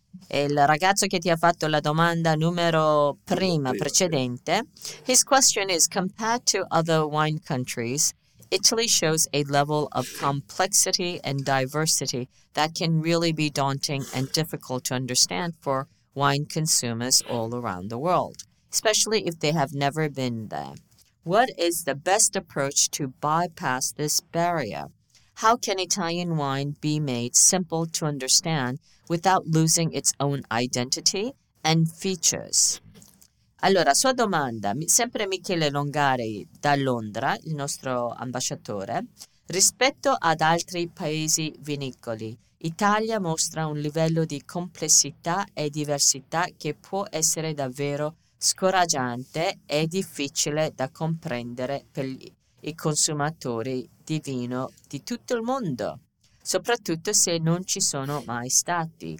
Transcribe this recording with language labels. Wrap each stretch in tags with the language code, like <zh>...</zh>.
<it>Il ragazzo che ti ha fatto la domanda numero prima, precedente.</it> <en>His question is, compared to other wine countries, Italy shows a level of complexity and diversity that can really be daunting and difficult to understand for wine consumers all around the world, especially if they have never been there. What is the best approach to bypass this barrier? How can Italian wine be made simple to understand without losing its own identity and features?</en> <it>Allora, sua domanda, sempre Michele Longari da Londra, il nostro ambasciatore. Rispetto ad altri paesi vinicoli, Italia mostra un livello di complessità e diversità che può essere davvero scoraggiante e difficile da comprendere per i consumatori di vino di tutto il mondo, soprattutto se non ci sono mai stati.</it>